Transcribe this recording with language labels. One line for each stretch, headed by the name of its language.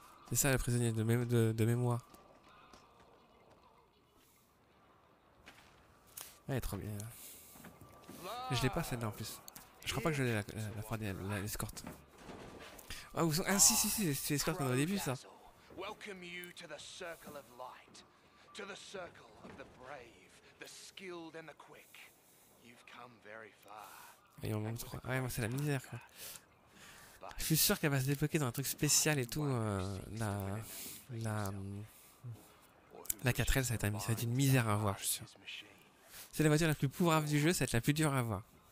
French: C'est ça le prisonnier de mémoire. Ouais, trop bien. Je l'ai pas celle-là en plus. Je crois pas que je l'ai la froide, l'escorte. Ah, vous sont... ah si, c'est l'escorte qu'on a au début ça.
English: Welcome you to the circle of light. To the circle of the brave, the skilled and the quick. You've come very far.
French: Et on manque 3. Ouais, moi c'est la misère quoi. Je suis sûr qu'elle va se débloquer dans un truc spécial et tout. La 4L, ça va être une misère à voir, je suis sûr. C'est la voiture la plus pauvre du jeu, ça va être la plus dure à voir.